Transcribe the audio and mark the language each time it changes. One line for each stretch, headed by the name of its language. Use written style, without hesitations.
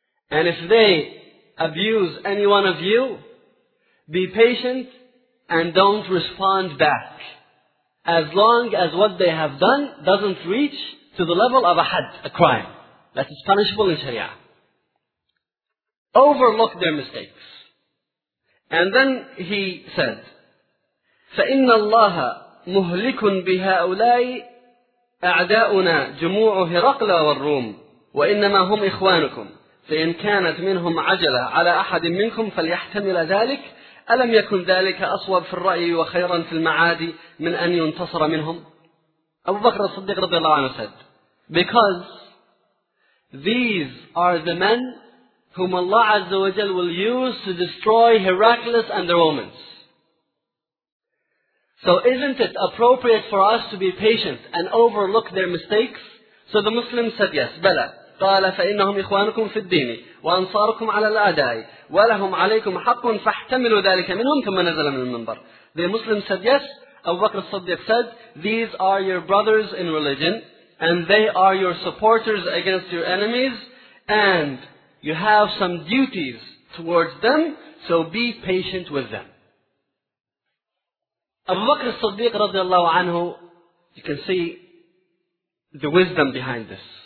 English: And if they abuse any one of you, be patient and don't respond back. As long as what they have done doesn't reach to the level of a had, a crime. That is punishable in Sharia. Overlook their mistakes. And then he said,
Arabic: فَإِنَّ اللَّهَ مُهْلِكٌ بِهَاؤُلَاءِ أَعْدَاؤُنَا جُمُوعُ هِرَقْلَ وَالرُّومِ وَإِنَّمَا هُمْ إِخْوَانُكُمْ فإن كانت منهم عجلة على أحد منكم فليحتمل ذلك ألم يكن ذلك أصوب في الرأي وخيرا في المعاد من أن ينتصر منهم. أبو بكر الصديق رضي الله عنه
English: said, because these are the men whom Allah Azza wa Jal will use to destroy Heracles and the Romans. So isn't it appropriate for us to be patient and overlook their mistakes? So the Muslims said yes,
Arabic: بلى. قال فإنهم إخوانكم في الدين وأنصاركم على الأعداء ولهم عليكم حق فاحتملوا ذلك منهم ثم نزل من المنبر.
English: The Muslim said yes. Abu Bakr as-Siddiq said, these are your brothers in religion and they are your supporters against your enemies and you have some duties towards them, So be patient with them. Abu Bakr as-Siddiq radiallahu anhu, you can see the wisdom behind this.